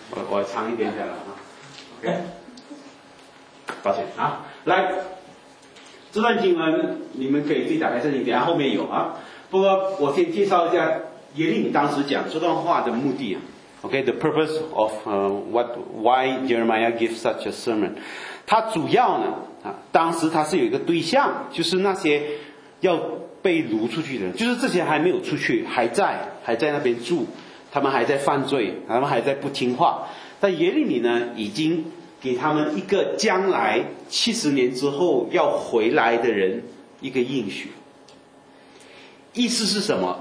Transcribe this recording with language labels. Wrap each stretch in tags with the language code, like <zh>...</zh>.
<zh>我长一点点了啊。OK， 抱歉啊，来。这段经文你们可以自己打开圣经，等一下后面有啊。不过我先介绍一下耶利米当时讲这段话的目的啊。</zh> <en>Okay, the purpose of why Jeremiah gives such a sermon.</en> <zh>他主要呢啊，当时他是有一个对象，就是那些要被掳出去的人，就是这些还没有出去，还在那边住，他们还在犯罪，他们还在不听话。但耶利米呢，已经给他们一个将来70年之后要回来的人一个应许。意思是什么？</zh>